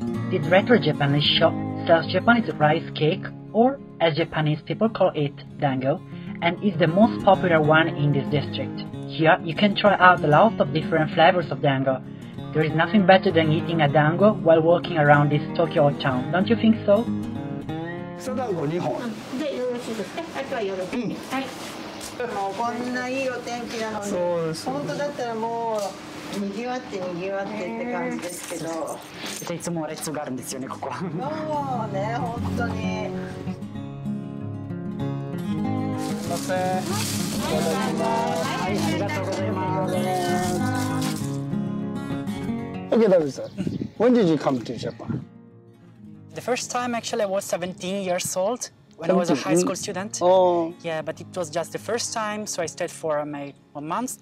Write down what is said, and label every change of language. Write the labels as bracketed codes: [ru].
[en] This retro Japanese shop sells Japanese rice cake, or as Japanese people call it, dango, and is the most popular one in this district. Here, you can try out lots of different flavors of dango. There is nothing better than eating a dango while walking around this Tokyo old town, don't you think so? So, dango, [ja] 2本. で、よろしいですね。あとは夜。はい。もうこんないいお天気なのに。そうです。本当だったらもう、にぎわってって感じですけど、いつも列があるんですよね、ここは。もうね、本当に。すいません。はい、ありがとうございます。 [en] Okay, David sir. When did you come to Japan? The first time, actually, I was 17 years old. When I was a high school student. Oh. Yeah, but it was just the first time, so I stayed for my 1 month.